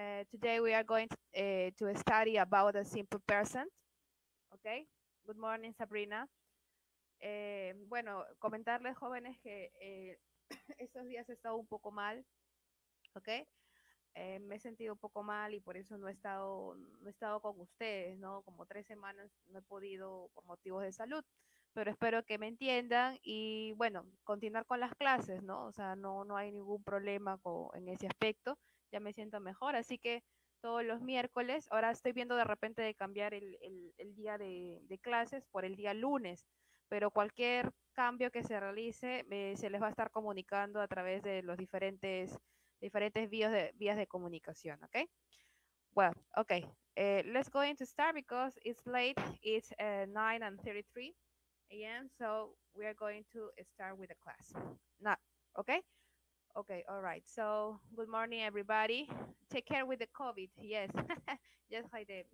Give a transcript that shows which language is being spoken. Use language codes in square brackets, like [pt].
[en] Today we are going to study about a simple present. Okay. Good morning, Sabrina. [es] Bueno, comentarles jóvenes que estos días he estado un poco mal. Okay. Me he sentido un poco mal y por eso no he estado con ustedes, ¿no? Como 3 semanas no he podido por motivos de salud. Pero espero que me entiendan y bueno, continuar con las clases, ¿no? O sea, no hay ningún problema en ese aspecto. Ya me siento mejor, así que todos los miércoles, ahora estoy viendo de repente de cambiar el día de clases por el día lunes, pero cualquier cambio que se realice, se les va a estar comunicando a través de los diferentes vías de comunicación, ¿ok? Bueno, [en] well, ok. Let's go into start because it's late, it's 9:33 a.m., so we are going to start with the class. No, ok. Okay, all right. So, good morning, everybody. Take care with the COVID. Yes, yes, Jaide.